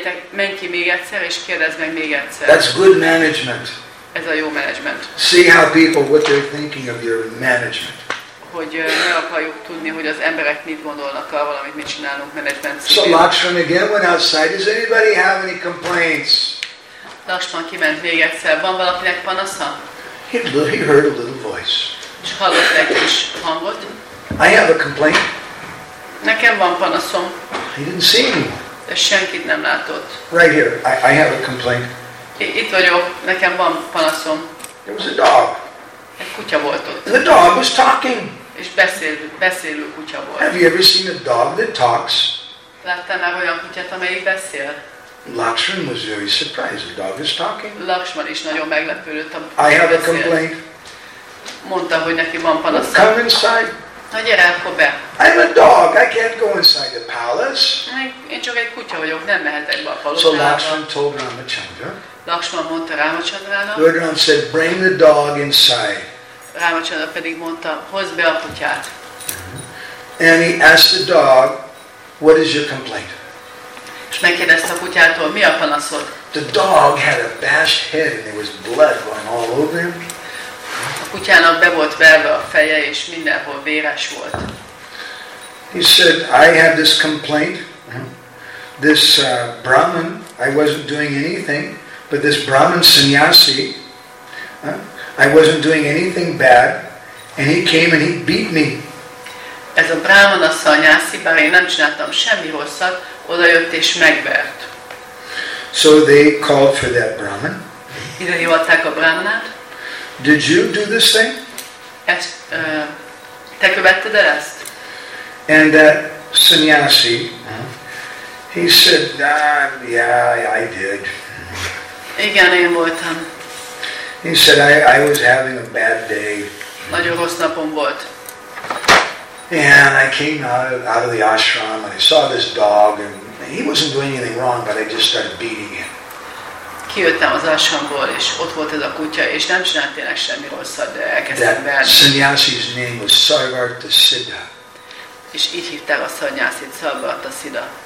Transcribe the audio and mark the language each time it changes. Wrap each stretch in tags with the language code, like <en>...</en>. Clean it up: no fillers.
<hu>Menj ki még egyszer, és kérdezz meg még egyszer.</hu> <en>That's good management.</en> <hu>Ez a jó management.</hu> <en>See how people, what they're thinking of your management.</en> <hu>Hogy ne akarjuk tudni, hogy az emberek mit gondolnak arról, amit mi csinálunk management szintén.</hu> <en>So Lakshman again went outside. Does anybody have any complaints?</en> <hu>Lakshman kiment még egyszer. Van valakinek panasza?</hu> <en>He heard a little voice.</en> <hu>És hallott egy kis hangot.</hu> <en>I have a complaint.</en> <hu>Nekem van panaszom.</hu> <en>He didn't see anyone.</en> <hu>de senkit nem látott.</hu> <en>Right here, I have a complaint.</en> <hu>Itt vagyok, nekem van panaszom.</hu> <en>It was a dog.</en> <hu>Egy kutya volt ott.</hu> <en>The dog was talking.</en> <hu>És beszélő kutya volt.</hu> <en>Have you ever seen a dog that talks?</en> <hu>Láttál már olyan kutyát, amelyik beszél?</hu> <en>Lakshman was very surprised. The dog is talking.</en> <hu>Lakshman is nagyon meglepődött.</hu> <en>I have a complaint.</en> <hu>Mondta, hogy neki van panasz.</hu> <en>Well, come inside.</en> <hu>Na gyere, akkor be.</hu> <en>I'm a dog. I can't go inside the palace.</en> <hu>Én csak egy kutya vagyok. Nem mehetek be a palotába.</hu> <en>So Lakshman told Ramachandra.</en> <hu>Lakshman mondta Ramachandrának.</hu> <en>Lord Ram said, bring the dog inside.</en> <hu>Ramachandra pedig mondta, hozd be a kutyát.</hu> <en>And he asked the dog, what is your complaint?</en> <hu>És megkérdezte a kutyától, mi a panaszod?</hu> <en>The dog had a bashed head and there was blood going all over him.</en> <hu>A kutyának be volt verve a feje és mindenhol véres volt.</hu> <en>He said, I had this complaint. This Brahmin, I wasn't doing anything, but this Brahmin sannyasi, I wasn't doing anything bad, and he came and he beat me.</en> <hu>Ez a Brahmin a sannyasi, bár én nem csináltam semmi rosszat, oda jött és megvert.</hu> <en>So they called for that Brahmin.</en> <hu>Ide hívták a Brahmanát.</hu> <en>Did you do this thing?</en> <hu>Ezt, te követted el ezt?</hu> <en>And that sannyasi, he said, yeah, I did.</en> <hu>Igen, én voltam.</hu> <en>He said, I was having a bad day.</en> <hu>Nagyon rossz napom volt.</hu> <en>And I came out of the ashram and I saw this dog and he wasn't doing anything wrong, but I just started beating him.</en> <hu>Kijöttem az ashramból és ott volt ez a kutya és nem csinált tényleg semmi rosszat, de elkezdtem verni.</hu> <en>That sannyasi's name was Sarvartha Siddha.</en> <hu>És így hívták a sannyasit, Sarvartha Siddha.</hu>